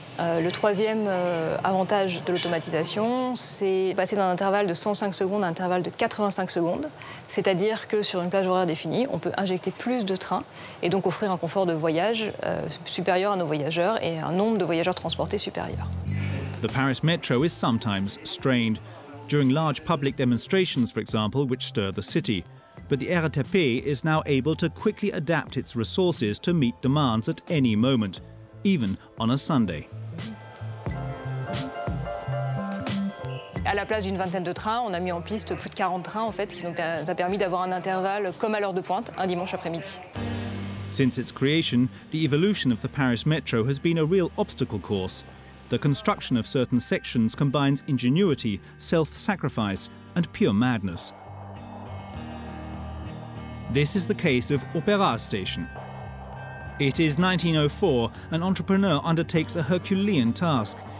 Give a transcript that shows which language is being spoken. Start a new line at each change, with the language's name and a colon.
French: Le troisième avantage de l'automatisation, c'est passer d'un intervalle de 105 secondes à un intervalle de 85 secondes, c'est-à-dire que sur une plage horaire définie, on peut injecter plus de trains et donc offrir un confort de voyage supérieur à nos voyageurs et un nombre de voyageurs transportés supérieur.
English: The Paris Metro is sometimes strained during large public demonstrations, for example, which stir the city. But the RATP is now able to quickly adapt its resources to meet demands at any moment, even on a Sunday.
French: À la place d'une vingtaine de trains, on a mis en piste plus de 40 trains, en fait, ce qui nous a permis d'avoir un intervalle comme à l'heure de pointe, un dimanche après-midi.
English: Since its creation, the evolution of the Paris Metro has been a real obstacle course. The construction of certain sections combines ingenuity, self-sacrifice, and pure madness. This is the case of Opéra Station. It is 1904, an entrepreneur undertakes a Herculean task.